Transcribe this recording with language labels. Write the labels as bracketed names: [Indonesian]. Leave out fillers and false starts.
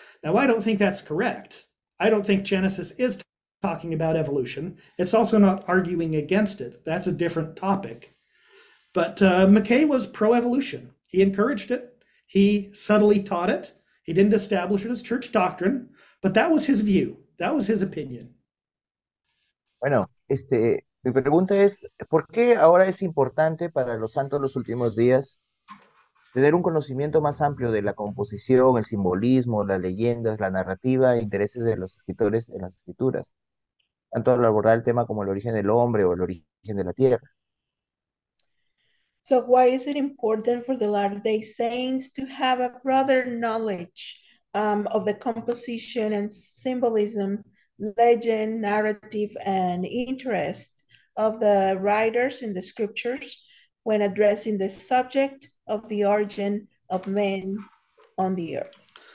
[English] Now, I don't think that's correct. I don't think Genesis is talking about evolution. It's also not arguing against it. That's a different topic. But McKay was pro-evolution. He encouraged it. He subtly taught it. He didn't establish it as church doctrine, but that was his view. That was his opinion. [Spanish] Bueno, mi pregunta es, ¿por qué ahora es importante para los santos los últimos días tener un conocimiento más amplio de la composición, el simbolismo, las leyendas, la narrativa e intereses de los escritores en las escrituras, tanto al abordar el tema como el origen del hombre o el origen de la tierra? [English] So why is it important for the Latter-day Saints to have a broader knowledge of the composition and symbolism, legend, narrative, and interest of the writers in the scriptures when addressing the subject of the origin of man on the earth?